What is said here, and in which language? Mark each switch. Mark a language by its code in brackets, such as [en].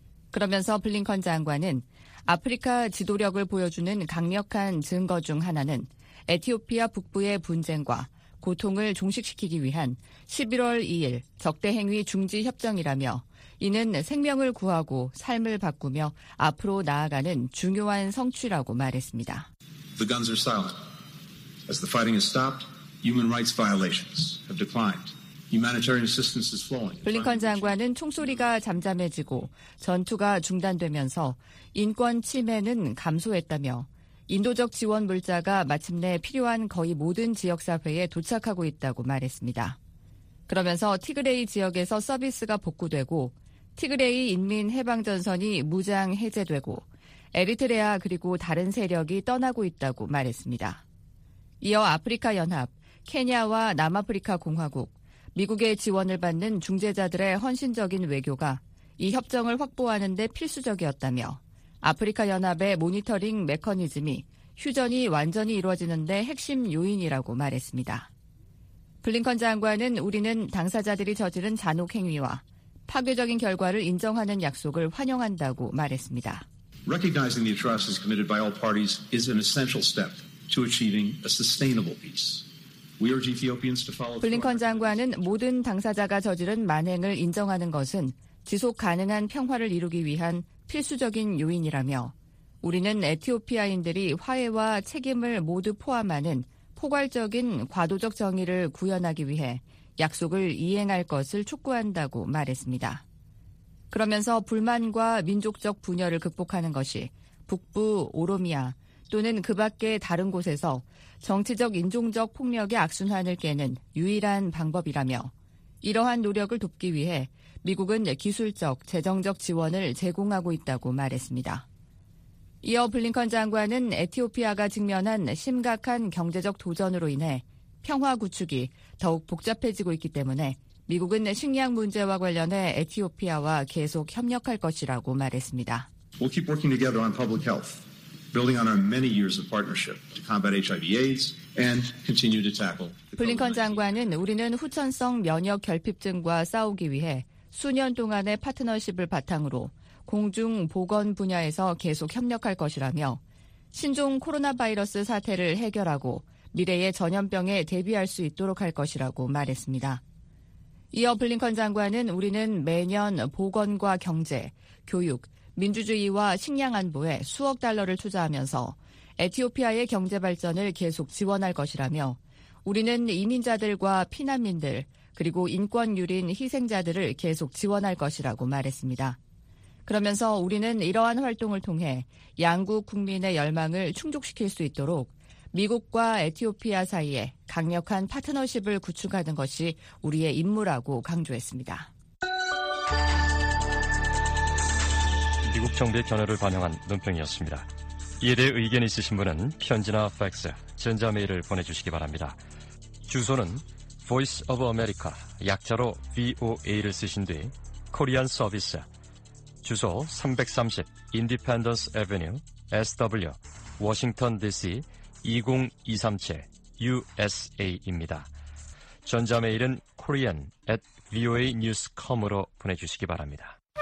[ko] 그러면서 블링컨 장관은 아프리카 지도력을 보여주는 강력한 증거 중 하나는 에티오피아 북부의 분쟁과 고통을 종식시키기 위한 11월 2일 적대행위 중지 협정이라며 이는 생명을 구하고 삶을 바꾸며 앞으로 나아가는 중요한 성취라고 말했습니다. [en] The guns are silent. As the fighting has stopped, human rights violations have declined. Humanitarian assistance is flowing. [ko] 블링컨 장관은 총소리가 잠잠해지고 전투가 중단되면서 인권 침해는 감소했다며 인도적 지원 물자가 마침내 필요한 거의 모든 지역 사회에 도착하고 있다고 말했습니다. 그러면서 티그레이 지역에서 서비스가 복구되고 티그레이 인민 해방 전선이 무장 해제되고 에리트레아 그리고 다른 세력이 떠나고 있다고 말했습니다. 이어 아프리카 연합, 케냐와 남아프리카 공화국, 미국의 지원을 받는 중재자들의 헌신적인 외교가 이 협정을 확보하는 데 필수적이었다며 아프리카 연합의 모니터링 메커니즘이 휴전이 완전히 이루어지는 데 핵심 요인이라고 말했습니다. 블링컨 장관은 우리는 당사자들이 저지른 잔혹 행위와 파괴적인 결과를 인정하는 약속을 환영한다고 말했습니다. [en] Recognizing the atrocities committed by all parties is an essential step to achieving a sustainable peace. We urge Ethiopians to follow. [ko] 블링컨 장관은 모든 당사자가 저지른 만행을 인정하는 것은 지속 가능한 평화를 이루기 위한 필수적인 요인이라며 우리는 에티오피아인들이 화해와 책임을 모두 포함하는 포괄적인 과도적 정의를 구현하기 위해 약속을 이행할 것을 촉구한다고 말했습니다. 그러면서 불만과 민족적 분열을 극복하는 것이 북부 오로미아 또는 그 밖의 다른 곳에서 정치적 인종적 폭력의 악순환을 깨는 유일한 방법이라며 이러한 노력을 돕기 위해 미국은 기술적, 재정적 지원을 제공하고 있다고 말했습니다. 이어 블링컨 장관은 에티오피아가 직면한 심각한 경제적 도전으로 인해 평화 구축이 더욱 복잡해지고 있기 때문에 미국은 식량 문제와 관련해 에티오피아와 계속 협력할 것이라고 말했습니다. [en] We'll keep working together on public health, building on our many years of partnership to combat HIV/AIDS and continue to tackle. [ko] 블링컨 장관은 우리는 후천성 면역 결핍증과 싸우기 위해 수년 동안의 파트너십을 바탕으로 공중 보건 분야에서 계속 협력할 것이라며 신종 코로나 바이러스 사태를 해결하고 미래의 전염병에 대비할 수 있도록 할 것이라고 말했습니다. 이어 블링컨 장관은 우리는 매년 보건과 경제, 교육, 민주주의와 식량 안보에 수억 달러를 투자하면서 에티오피아의 경제 발전을 계속 지원할 것이라며 우리는 이민자들과 피난민들 그리고 인권 유린 희생자들을 계속 지원할 것이라고 말했습니다. 그러면서 우리는 이러한 활동을 통해 양국 국민의 열망을 충족시킬 수 있도록 미국과 에티오피아 사이에 강력한 파트너십을 구축하는 것이 우리의 임무라고 강조했습니다. 미국 정부의 견해를 반영한 논평이었습니다. 이에 대해 의견 있으신 분은 편지나 팩스, 전자메일을 보내주시기 바랍니다. 주소는 Voice of America, 약자로 VOA를 쓰신 뒤 Korean Service, 주소 330 Independence Avenue, SW, Washington DC, 20237 USA입니다. 전자메일은 korean@voanews.com으로 보내주시기 바랍니다.